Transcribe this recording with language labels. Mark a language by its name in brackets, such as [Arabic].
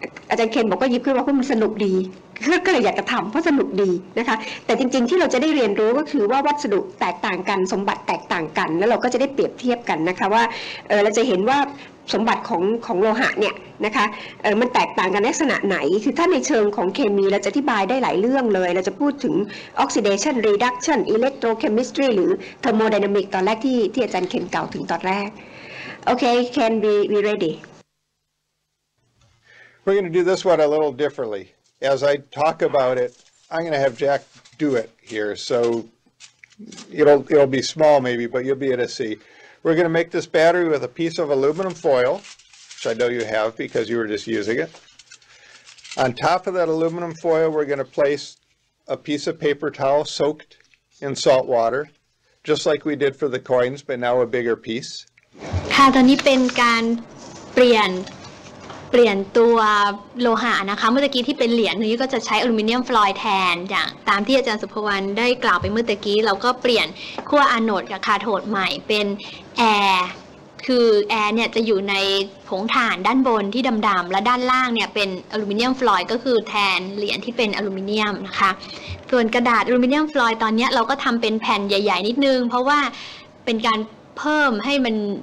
[Thai] อาจารย์เคนบอกก็ยิบขึ้นว่าเพราะมันสนุกดีก็เลยอยากจะทำเพราะสนุกดีนะคะแต่จริงๆที่เราจะได้เรียนรู้ก็คือว่าวัสดุแตกต่างกันสมบัติแตกต่างกันแล้วเราก็จะได้เปรียบเทียบกันนะคะว่าเราจะเห็นว่าสมบัติของโลหะเนี่ยนะคะมันแตกต่างกันลักษณะไหนคือถ้าในเชิงของเคมีเราจะอธิบายได้หลายเรื่องเลยเราจะพูดถึงออกซิเดชันรีดักชันอิเล็กโทรเคมิสตรีหรือเทอร์โมไดนามิกตอนแรกที่อาจารย์เคนกล่าวถึงตอนแรกโอเคเคน [English] we ready We're going to do this one a little differently. As I talk about it, I'm going to have Jack do it here. So it'll be small maybe, but you'll be able to see. We're going to make this battery with a piece of aluminum foil, which I know you have because you were just using it. On top of that aluminum foil, we're going to place a piece of paper towel soaked in salt water, just like we did for the coins, but now a bigger piece. [Thai] ค่ะ ตอนนี้เป็นการเปลี่ยนตัวโลหะนะคะเมื่อกี้ที่เป็นเหรียญตรงนี้ก็จะใช้อลูมิเนียมฟลอยด์แทนอย่างตามที่อาจารย์สุภวรรณได้กล่าวไปเมื่อกี้เราก็เปลี่ยนขั้วอานอดกับคาโทดใหม่เป็นแอร์คือแอร์เนี่ยจะอยู่ในผงถ่านด้านบนที่ดำๆและด้านล่างเนี่ยเป็นอลูมิเนียมฟลอยด์ก็คือแทนเหรียญที่เป็นอลูมิเนียมนะคะส่วนกระดาษอลูมิเนียมฟลอยด์ตอนนี้เราก็ทำเป็นแผ่นใหญ่ๆนิดนึงเพราะว่าเป็นการเพิ่มให้มัน